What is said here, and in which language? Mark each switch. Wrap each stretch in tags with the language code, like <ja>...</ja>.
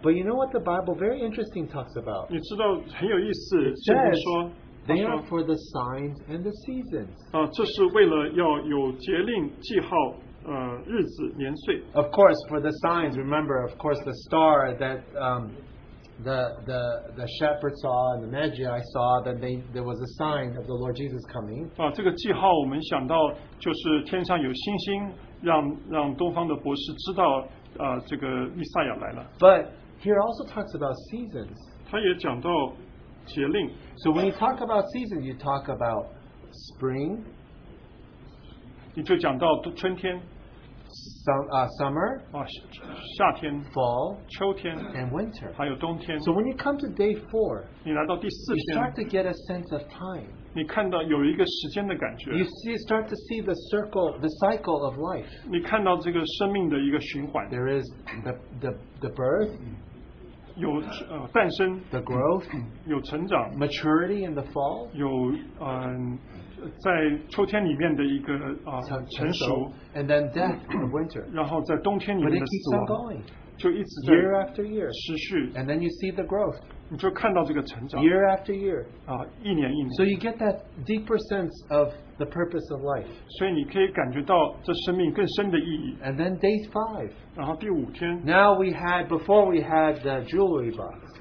<en>but you know what the Bible very interesting talks about?</en> <zh>你知道很有意思,</zh> <en>it says,</en> <zh>圣经说,</zh> <en>they are for the signs and the seasons.</en> <zh>这是为了要有节令记号, 日子年岁,</zh> <en>of course for the signs, remember, of course the star that the shepherd saw and the magi saw, that there was a sign of the Lord Jesus coming.</en> <zh>这个记号我们想到就是天上有星星, 让东方的博士知道, 这个弥赛亚来了。</zh> <en>But here also talks about seasons.</en> <zh>他也讲到节令。</zh> <en>So when you talk about seasons, you talk about spring,</en> <zh>你就讲到春天,</zh> <en>summer,</en> <zh>夏天,</zh> <en>fall,</en> <zh>秋天,</zh> <en>and winter.</en> <zh>还有冬天.</zh> <en>So when you come to day four,</en> <zh>你来到第四天,</zh> <en>you start to get a sense of time.</en> <zh>你看到有一个时间的感觉.</zh> <en>You see, start to see the circle, the cycle of life.</en> <zh>你看到这个生命的一个循环.</zh> <en>There is the birth,</en> <zh>有诞生,</zh> <en>the growth,</en> <zh>有成长,</zh> <en>maturity in the fall,</en> <zh>在秋天里面的一个, 成熟,</zh> <en>and then death in the winter.</en> <zh>然后在冬天里面的死亡,</zh> <en>but it keeps on going, year after year, and then you see the growth,</en> <zh>你就看到这个成长,</zh> <en>year after year,</en> <zh>一年一年.</zh> <en>So you get that deeper sense of the purpose of life.</en> <zh>所以你可以感觉到这生命更深的意义.</zh> <en>And then day five,</en> <zh>然后第五天,</zh> <en>now we had, before we had the jewelry box,</en>